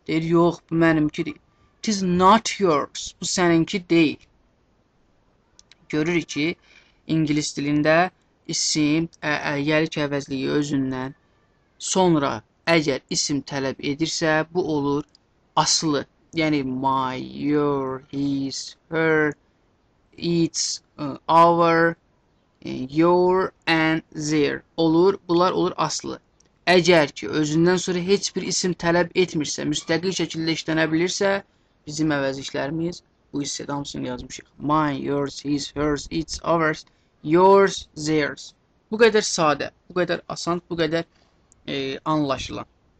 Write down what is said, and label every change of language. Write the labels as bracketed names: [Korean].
[Azerbaijani] Deyir, yox, bu mənimki deyil. [English] It is not yours. [Azerbaijani] Bu səninki deyil. Görürük ki, ingilis dilində isim, yəlik əvəzliyi özündən sonra əgər isim tələb edirsə, bu olur asılı. [English] Yəni, my, your, his, her, its, our, your and their olur. [Azerbaijani] Bunlar olur asılı. Əgər ki, özündən sonra heç bir isim tələb etmirsə, müstəqil şəkildə işlənə bilirsə, bizim əvəzliklərimiz bu hissədə hamısını yazmışıq. [English] Mine, yours, his, hers, its, ours, yours, theirs. [Azerbaijani] Bu qədər sadə, bu qədər asan, bu qədər anlaşılan.